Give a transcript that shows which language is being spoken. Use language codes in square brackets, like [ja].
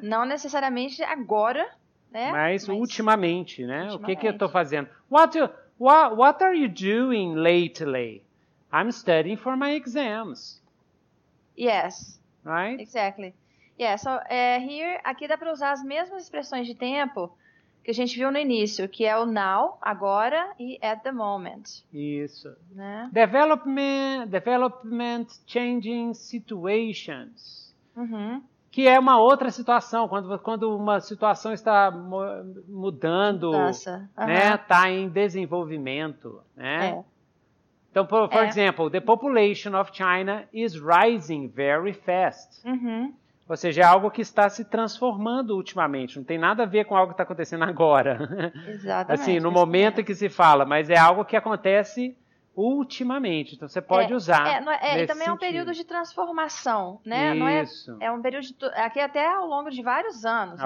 [pt] Não necessariamente agora, né? Mas ultimamente, né? Ultimamente. O que eu estou fazendo? [en] What are you doing lately? I'm studying for my exams. Yes. Right? Exactly. Yeah, so here, [pt] aqui dá para usar as mesmas expressões de tempo que a gente viu no início, que é o now, agora, e at the moment. Isso. Né? [en] Development changing situations. Uhum. [pt] Que é uma outra situação, quando uma situação está mudando, uhum. né? Tá em desenvolvimento, né? É. Então, [en] for example, the population of China is rising very fast. Uhum. [pt] Ou seja, é algo que está se transformando ultimamente. Não tem nada a ver com algo que está acontecendo agora. Exatamente. Assim, no momento em que se fala. Mas é algo que acontece ultimamente. Então, você pode usar E também é um período de transformação, né? Isso. Não é um período de, aqui até ao longo de vários anos,